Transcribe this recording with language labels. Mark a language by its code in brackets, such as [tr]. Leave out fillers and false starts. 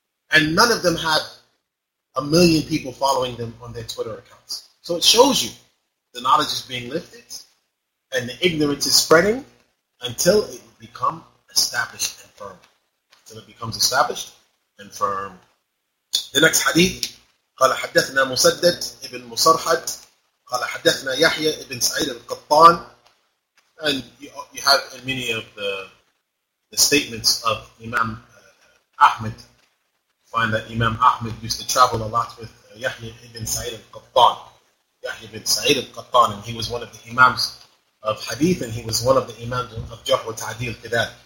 [en] And none of them have a million people following them on their Twitter accounts. So it shows you the knowledge is being lifted and the ignorance is spreading until it becomes established and firm. Until it becomes established and firm. The next hadith, [ar] قال حدثنا مسدد ابن مصرحد قال حدثنا يحيى ابن سعيد القطان. [en] And you have in many of the statements of Imam Ahmed, you find that Imam Ahmed used to travel a lot with Yahya ibn Sa'id al-Qattan. Yahya ibn Sa'id al-Qattan, and he was one of the Imams of Hadith, and he was one of the Imams of Jahw wa Ta'dil Qidad.